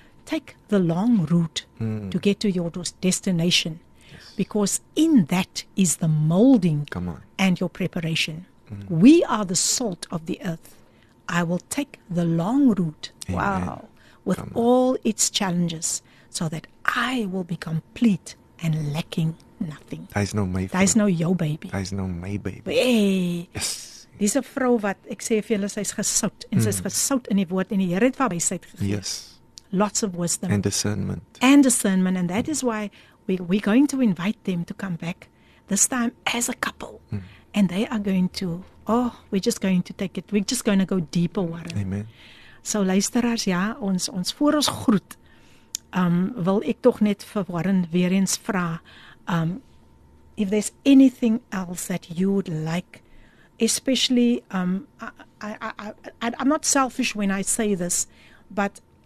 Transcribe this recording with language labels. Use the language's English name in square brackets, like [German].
[English] Take the long route to get to your destination because in that is the molding and your preparation. We are the salt of the earth. I will take the long route, with all its challenges, so that I will be complete and lacking nothing. That is no my baby. Hey. Yes. [Afrikaans] Dis 'n vrou wat ek sê vir julle, sy's gesout en sy's gesout in die woord en die Here het vir haar wysheid gegee. [English] Yes. Lots of wisdom. And discernment, and that is why we're going to invite them to come back this time as a couple. And they are going to we're just going to go deeper, Warren. Amen. [Afrikaans] So luisteraars, ons voor ons groet, wil ek tog net vir Warren weer eens vra, [English] if there's anything else that you would like, especially I'm not selfish when I say this, but